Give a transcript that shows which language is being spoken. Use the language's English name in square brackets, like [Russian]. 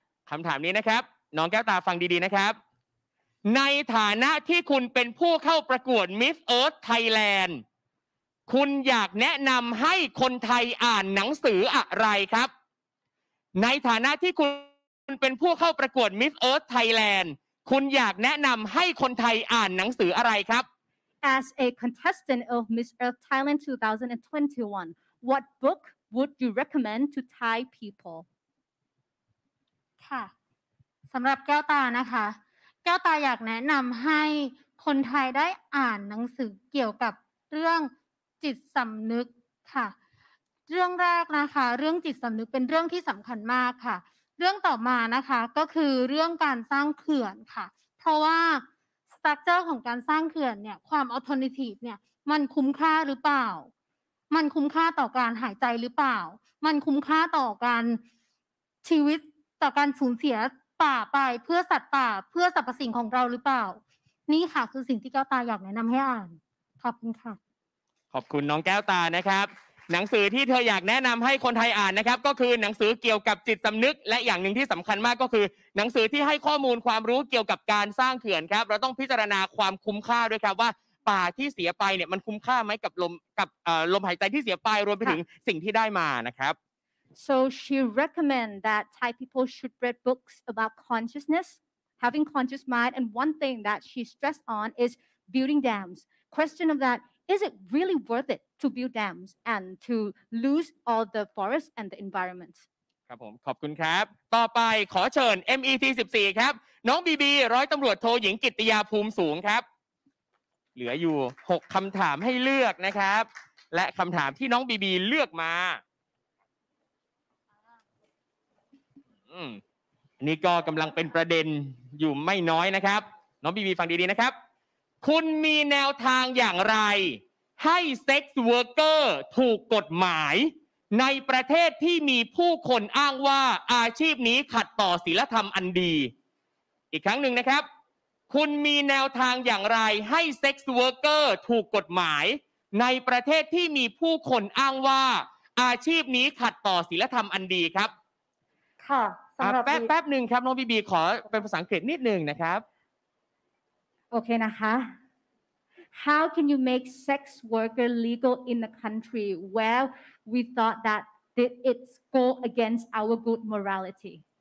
[Thai] คำถามนี้นะครับน้องแก้วตาฟังดีๆนะครับในฐานะที่คุณเป็นผู้เข้าประกวด Miss Earth Thailand คุณอยากแนะนำให้คนไทยอ่านหนังสืออะไรครับในฐานะที่คุณเป็นผู้เข้าประกวด Miss Earth Thailand คุณอยากแนะนำให้คนไทยอ่านหนังสืออะไรครับ [English] As a contestant of Miss Earth Thailand 2021 what book would you recommend to Thai people [Thai] ค่ะสำหรับแก้วตานะคะแก้วตาอยากแนะนำให้คนไทยได้อ่านหนังสือเกี่ยวกับเรื่องจิตสำนึกค่ะเรื่องแรกนะคะเรื่องจิตสำนึกเป็นเรื่องที่สำคัญมากค่ะเรื่องต่อมานะคะก็คือเรื่องการสร้างเขื่อนค่ะเพราะว่าสตรัคเจอร์ของการสร้างเขื่อนเนี่ยความออโตนิทีฟเนี่ยมันคุ้มค่าหรือเปล่ามันคุ้มค่าต่อการหายใจหรือเปล่ามันคุ้มค่าต่อการ ชีวิตต่อการสูญเสียป่าไปเพื่อสัตว์ป่าเพื่อสรรพสิ่งของเราหรือเปล่านี่ค่ะคือสิ่งที่แก้วตาอยากแนะนำให้อ่านขอบคุณค่ะ ขอบคุณน้องแก้วตานะครับหนังสือที่เธออยากแนะนําให้คนไทยอ่านนะครับก็คือหนังสือเกี่ยวกับจิตสํานึกและอย่างนึงที่สําคัญมากก็คือหนังสือที่ให้ข้อมูลความรู้เกี่ยวกับการสร้างเขื่อนครับเราต้องพิจารณาความคุ้มค่าด้วยครับว่าป่าที่เสียไปเนี่ยมันคุ้มค่ามั้ยกับลมหายใจที่เสียไปรวมไปถึงสิ่งที่ได้มานะครับ [English] So she recommend that Thai people should read books about consciousness having conscious mind and one thing that she stressed on is building dams question of thatIs it really worth it to build dams and to lose all the forests and the environment? [Thai] ครับผมขอบคุณครับต่อไปขอเชิญ MET 14ครับน้อง BB ร้อยตำรวจโทหญิงกิตติยาภูมิสูงครับเหลืออยู่6คำถามให้เลือกนะครับและคำถามที่น้อง BB เลือกมา อันนี้ก็กำลังเป็นประเด็นอยู่ไม่น้อยนะครับน้อง BB ฟังดีๆนะครับคุณมีแนวทางอย่างไรให้เซ็กซ์เวิร์กเกอร์ถูกกฎหมายในประเทศที่มีผู้คนอ้างว่าอาชีพนี้ขัดต่อศีลธรรมอันดีอีกครั้งหนึ่งนะครับคุณมีแนวทางอย่างไรให้เซ็กซ์เวิร์กเกอร์ถูกกฎหมายในประเทศที่มีผู้คนอ้างว่าอาชีพนี้ขัดต่อศีลธรรมอันดีครับ ค่ะสำหรับ แป๊บนึงครับน้องบีบีขอเป็นภาษาอังกฤษนิดนึงนะครับ [English] Okay, [Thai] นะคะ [English] How can you make sex worker legal in a country where we thought that it's go against our good morality?